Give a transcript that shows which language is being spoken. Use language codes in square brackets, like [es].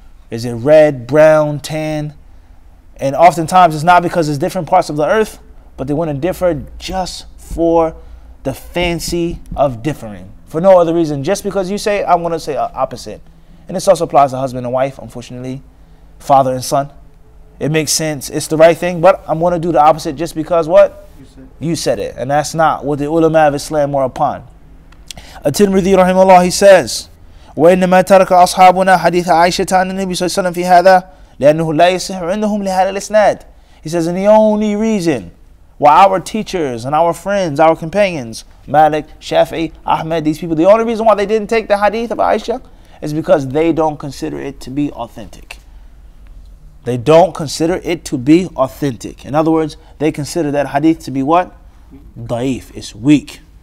[en] Is it red, brown, tan? And oftentimes it's not because it's different parts of the earth, but they want to differ just for the fancy of differing. For no other reason, just because you say, I'm going to say opposite. And this also applies to husband and wife, unfortunately, father and son. It makes sense. It's the right thing, but I'm going to do the opposite just because what? You said it. And that's not what the ulama of Islam were upon. At-Tirmidhi rahimahullah, he says, [ar] وَإِنَّمَا تَرَكَ أَصْحَابُنَا حَدِيثَ عَيْشَةَ عَنِ النَّبِي صلى الله عليه وسلم فِي هَذَا لَأَنُّهُ لَا يَسِحُ عِنْدُهُمْ لِهَذَا الْإِسْنَادِ. [en] He says, and the only reason why our teachers and our friends, our companions, Malik, Shafi'i, Ahmed, these people, the only reason why they didn't take the hadith of Aisha is because they don't consider it to be authentic. They don't consider it to be authentic. In other words, they consider that hadith to be what? Da'if. It's weak.